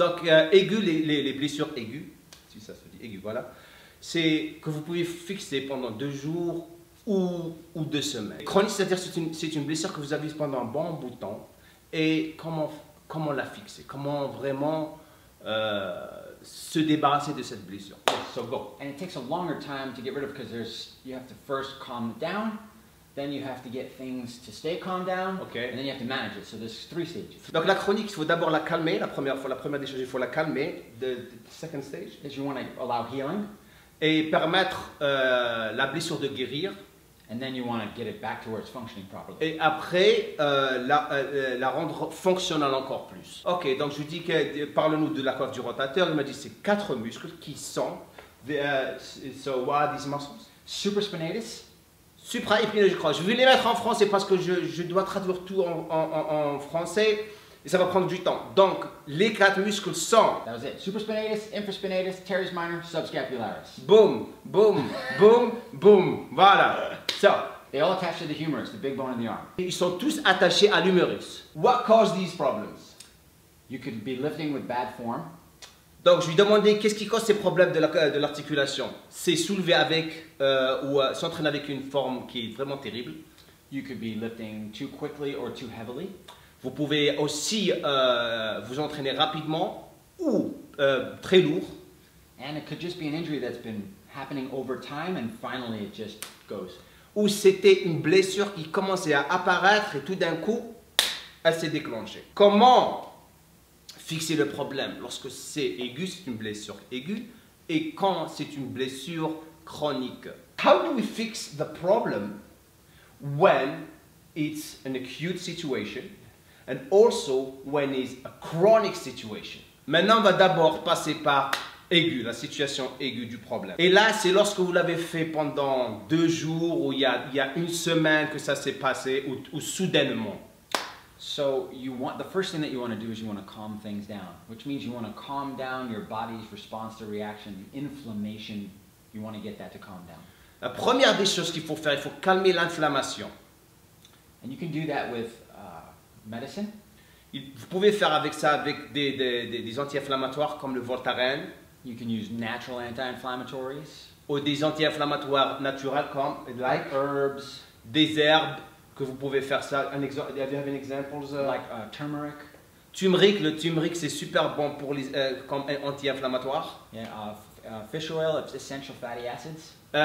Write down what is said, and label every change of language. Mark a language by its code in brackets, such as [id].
[fr] Donc aiguë, les blessures aiguës, si ça se dit aiguë, voilà, c'est que vous pouvez fixer pendant 2 jours ou 2 semaines. Chronique, c'est-à-dire c'est une blessure que vous avez pendant un bon bout de temps. Et comment la fixer? Comment vraiment se débarrasser de cette blessure? [en] Yes, so go. And it takes a longer time to get rid of because you have to first calm down, then you have to get things to stay calm down, okay. And then you have to manage it. So there's 3 stages. [fr] Donc la chronique, il faut d'abord la calmer. La première des choses, il faut la calmer. [en] The second stage is you want to allow healing. [fr] Et permettre la blessure de guérir. [en] And then you want to get it back to where it's functioning properly. [fr] Et après, la rendre fonctionnelle encore plus. Ok, donc je dis que parle-nous de la coiffe du rotateur. Il m'a dit c'est 4 muscles qui sont. [en] So what are these muscles? Supraspinatus. [fr] Supraépineux, je crois. Je vais les mettre en français parce que je dois traduire tout en français et ça va prendre du temps. Donc les 4 muscles sont. [en] That was it. Supraspinatus, infraspinatus, teres minor, subscapularis. Boom, boom, boom, boom. Voilà. So, they all attach to the humerus, the big bone in the arm. [fr] Ils sont tous attachés à l'humérus. [en] What caused these problems? You could be lifting with bad form. [fr] Donc, je lui demandais qu'est-ce qui cause ces problèmes de l'articulation. C'est soulever avec s'entraîner avec une forme qui est vraiment terrible. [en] You could be lifting too quickly or too heavily. [fr] Vous pouvez aussi vous entraîner rapidement ou très lourd. [en] And it could just be an injury that's been happening over time and finally it just goes. [fr] Ou c'était une blessure qui commençait à apparaître et tout d'un coup, elle s'est déclenchée. Comment fixer le problème lorsque c'est aigu, c'est une blessure aiguë, et quand c'est une blessure chronique? [en] How do we fix the problem when it's an acute situation and also when it's a chronic situation? [fr] Maintenant, on va d'abord passer par aiguë, la situation aiguë du problème. Et là, c'est lorsque vous l'avez fait pendant 2 jours ou il y a une semaine que ça s'est passé ou soudainement. [en] So you want, the first thing that you want to do is you want to calm things down, which means you want to calm down your body's response to reaction, the inflammation, you want to get that to calm down. [fr] La première des choses qu'il faut faire, il faut calmer l'inflammation. [en] And you can do that with medicine. [fr] Vous pouvez faire avec ça avec des anti-inflammatoires comme le Voltaren. [en] You can use natural anti-inflammatories. [fr] Ou des anti-inflammatoires naturels comme [en] like herbs. [fr] Des herbes que vous pouvez faire ça. [en] Have you any examples? Like turmeric. [fr] Turmeric, le turmeric c'est super bon pour les comme anti-inflammatoire. [en] Yeah, fish oil, essential fatty acids.